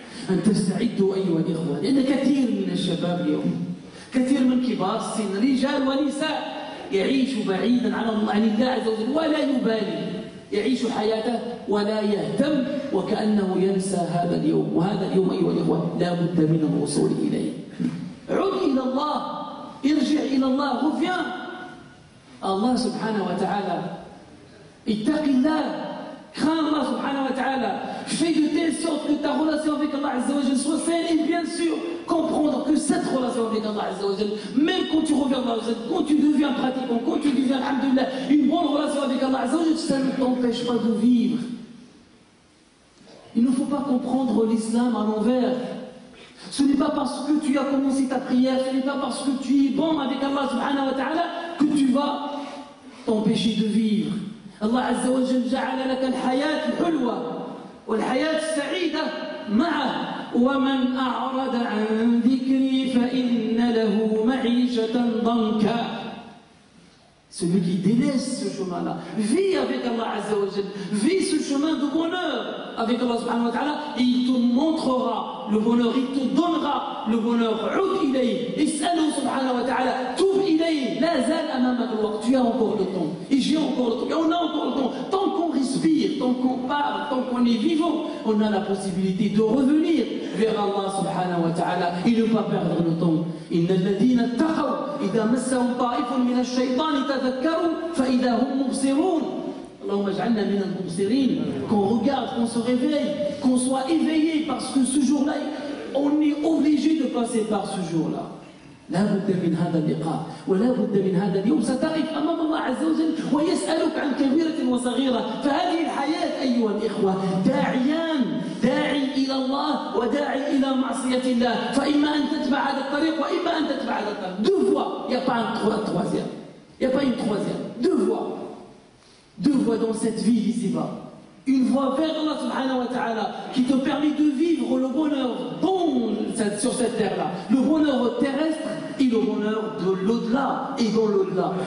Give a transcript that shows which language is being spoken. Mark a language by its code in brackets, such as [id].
[ar] أن تستعدوا أيها الإخوة، لأن كثير من الشباب اليوم، كثير من كبار السن، رجال ونساء، يعيش بعيدا عن الله عز وجل ولا يبالي، يعيش حياته ولا يهتم، وكأنه ينسى هذا اليوم. وهذا اليوم أيها الإخوة لا بد من الوصول إليه. عد إلى الله، ارجع إلى الله، غفران الله سبحانه وتعالى. اتق الله، خان الله سبحانه وتعالى. [fr] Fais de telle sorte que ta relation avec Allah [ar] عز وجل [fr] soit saine. Et bien sûr, comprendre que cette relation avec Allah [ar] عز وجل, [fr] même quand tu reviens Allah عز وجل, quand tu deviens pratiquant, quand tu deviens alhamdulillah, une bonne relation avec Allah عز وجل, ça ne t'empêche pas de vivre. Il ne faut pas comprendre l'islam à l'envers. Ce n'est pas parce que tu as commencé ta prière, ce n'est pas parce que tu es bon avec Allah [ar] سبحانه وتعالى [fr] que tu vas t'empêcher de vivre. [ar] الله عز وجل جعل لك الحياة الحلوة والحياة السعيدة معه. ومن أعرض عن ذكري فإن له معيشة ضنكا. [fr] Celui qui délaisse ce chemin-là, vit avec Allah [ar] عز وجل, [fr] vit ce chemin de bonheur avec Allah [ar] سبحانه وتعالى, [fr] il te montrera le bonheur, il te donnera le bonheur. [ar] عد إليه, اسأله سبحانه وتعالى, توب إليه. لا زال أمامك الوقت, [fr] tu as encore le temps, et j'ai encore le temps, et on a encore le temps. Tant qu'on respire, tant qu'on parle, tant qu'on est vivant, on a la possibilité de revenir vers Allah [ar] سبحانه وتعالى, [fr] et ne pas perdre le temps. [ar] إن الذين اتقوا إذا مسهم طائف من الشيطان تذكروا فإذا هم مبصرون. اللهم اجعلنا من المبصرين. [fr] Qu'on regarde, qu'on se réveille, qu'on soit éveillé, parce que ce jour-là, on est obligé de passer par ce jour-là. [ar] لا بد من هذا اللقاء ولا بد من هذا اليوم. ستقف أمام الله عز وجل ويسألك عن كبيرة وصغيرة. فهذه الحياة أيها الإخوة داعيان، داعي إلى الله وداعي إلى معصية الله. فإما أن تتبع هذا الطريق وإما أن تتبع هذا الطريق. [fr] Deux fois, y'a pas un troisième, y'a pas une troisième. Deux fois dans cette vie ici-bas. Une voie vers Allah [ar] subhanahu wa ta'ala [fr] qui te permet de vivre le bonheur sur cette terre-là, le bonheur terrestre et le bonheur de l'au-delà et dans l'au-delà.